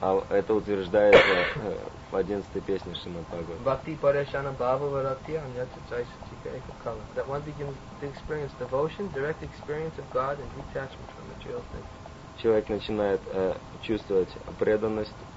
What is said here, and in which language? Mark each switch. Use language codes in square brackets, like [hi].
[ru] Это утверждается в 11-й песне Шримад Бхагаватам. [sa] Бхакти парешана бхава варакти аньяча чайсати кайка кала. [en] That one begins to experience devotion, direct experience of God and detachment from material things. [ru] Человек начинает чувствовать преданность.